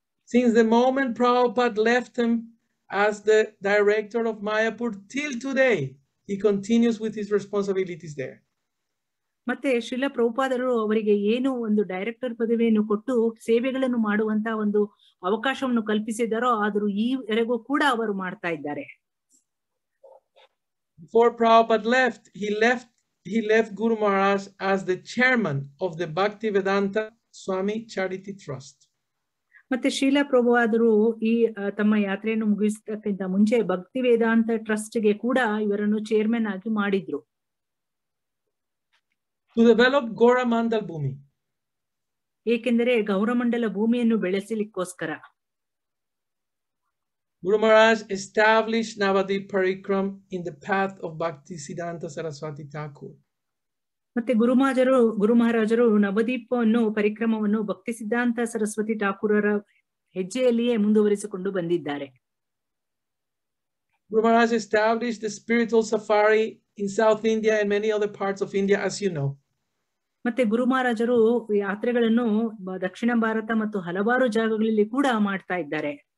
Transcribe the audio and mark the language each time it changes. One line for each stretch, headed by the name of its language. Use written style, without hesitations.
English: Since the moment Prabhupada left him as the director of Mayapur till today, he continues with his responsibilities there.
Kannada: ಮತ್ತೆ ಶ್ರೀಲ ಪ್ರಭುಪಾದರು ಅವರಿಗೆ ಏನು ಒಂದು director ಪದವಿಯನ್ನು ಕೊಟ್ಟು ಸೇವೆಗಳನ್ನು ಮಾಡುವಂತಹ ಒಂದು ಅವಕಾಶವನ್ನು ಕಲ್ಪಿಸಿದಾರೋ ಆದರೂ ಈವರೆಗೂ ಕೂಡ ಅವರು ಮಾಡ್ತಾ ಇದ್ದಾರೆ.
English: Before Prabhupada left, he left Guru Maharaj as the chairman of the Bhakti Vedanta Swami Charity Trust.
Kannada: ಮತ್ತೆ ಶೀಲ ಪ್ರಭು ಆದರು ಈ ತಮ್ಮ ಯಾತ್ರೆಯನ್ನು ಮುಗಿಸಿದಕ್ಕಿಂತ ಮುಂಚೆ ಭಕ್ತಿ ವೇದಾಂತ ಟ್ರಸ್ಟ್ಗೆ ಕೂಡ ಇವರನ್ನು ಚೇರ್ಮನ್ ಆಗಿ ಮಾಡಿದ್ರು.
English: To develop Gauramandal Bhumi.
Kannada: ಏಕೆಂದರೆ ಗೌರಮಂಡಲ ಭೂಮಿಯನ್ನು ಬೆಳೆಸಲಿಕ್ಕೋಸ್ಕರ.
English: Guru Maharaj established Navadvip Parikram in the path of Bhakti Siddhanta Saraswati Thakur.
Kannada: ಮತ್ತೆ ಗುರು ಮಹಾರಾಜರು ನವದೀಪವನ್ನು ಪರಿಕ್ರಮವನ್ನು ಭಕ್ತಿ ಸಿದ್ಧಾಂತ ಸರಸ್ವತಿ ಠಾಕೂರರ ಹೆಜ್ಜೆಯಲ್ಲಿಯೇ ಮುಂದುವರಿಸಿಕೊಂಡು ಬಂದಿದ್ದಾರೆ.
English: Guru Maharaj established the spiritual safari in South India and many other parts of India, as you know.
Kannada: ಮತ್ತೆ ಗುರು ಮಹಾರಾಜರು ಯಾತ್ರೆಗಳನ್ನು ದಕ್ಷಿಣ ಭಾರತ ಮತ್ತು ಹಲವಾರು ಜಾಗಗಳಲ್ಲಿ ಕೂಡ ಮಾಡಿಸ್ತಾ ಇದ್ದಾರೆ.